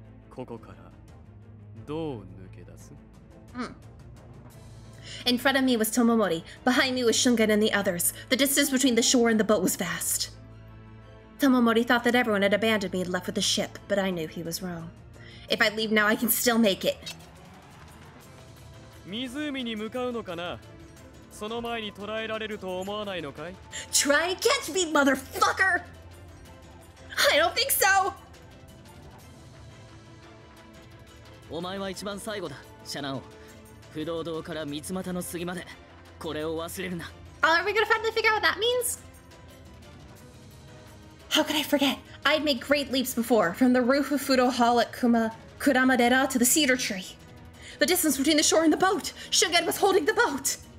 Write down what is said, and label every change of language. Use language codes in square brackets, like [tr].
[ja] ここからどう抜け出す? [en] In front of me was Tomomori. Behind me was Shungen and the others. The distance between the shore and the boat was vast. Tomomori thought that everyone had abandoned me and left with the ship, but I knew he was wrong. If I leave now, I can still make it. [ja] 湖に向かうのかな? その前に捕らえられると思わないのかい? [en] Try and catch me, motherfucker! I don't think so! [ja] お前は一番最後だ、シャナオ。不動堂から三つ股の杉まで、これを忘れるな。 [en] Are we gonna finally figure out what that means? How could I forget? I'd made great leaps before, from the roof of Fudo Hall at Kurama Dera to the cedar tree. The distance between the shore and the boat! Shuged was holding the boat!